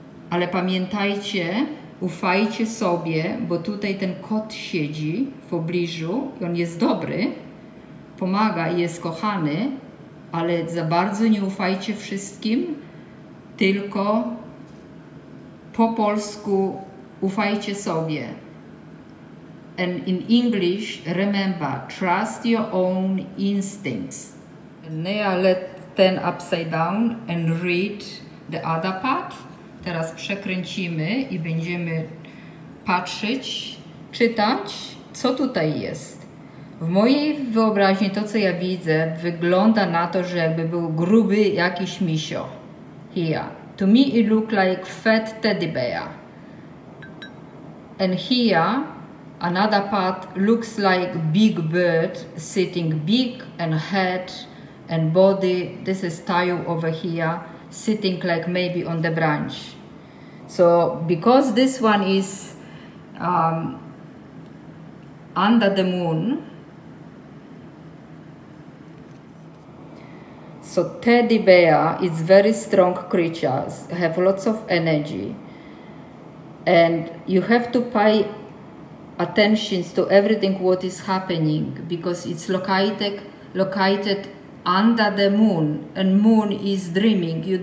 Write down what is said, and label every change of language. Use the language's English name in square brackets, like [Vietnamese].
[Polish] Ale pamiętajcie, ufajcie sobie, bo tutaj ten kot siedzi w pobliżu i on jest dobry, pomaga i jest kochany, ale za bardzo nie ufajcie wszystkim, tylko po polsku ufajcie sobie. [English] And in English, remember, trust your own instincts. Now let turn upside down and read the other part. [Polish] Teraz przekręcimy i będziemy patrzeć, czytać, co tutaj jest. W mojej wyobraźni to, co ja widzę, wygląda na to, że jakby był gruby jakiś misio. [English] Here. To me it looks like fat teddy bear. And here another part looks like big bird sitting big and head and body. This is tail over here sitting like maybe on the branch. So because this one is under the moon, so teddy bear is very strong creatures, have lots of energy, and you have to pay attention to everything what is happening because it's located under the moon, and moon is dreaming.